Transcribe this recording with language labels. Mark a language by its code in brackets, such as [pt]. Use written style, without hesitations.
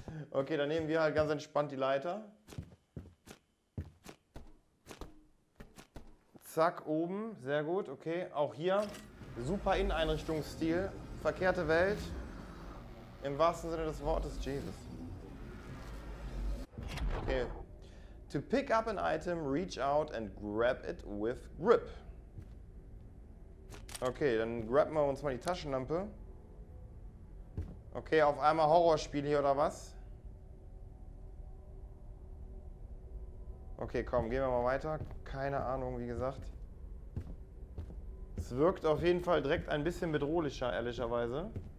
[de] Okay, dann nehmen wir halt ganz entspannt die Leiter. Zack, oben, sehr gut, okay. Auch hier, super Inneneinrichtungsstil, verkehrte Welt, im wahrsten Sinne des Wortes, Jesus. [en] Okay, to pick up an item, reach out and grab it with grip. [de] Okay, dann grabben wir uns mal die Taschenlampe. Okay, auf einmal Horrorspiel hier oder was? Okay, komm, gehen wir mal weiter. Keine Ahnung, wie gesagt. Es wirkt auf jeden Fall direkt ein bisschen bedrohlicher, ehrlicherweise.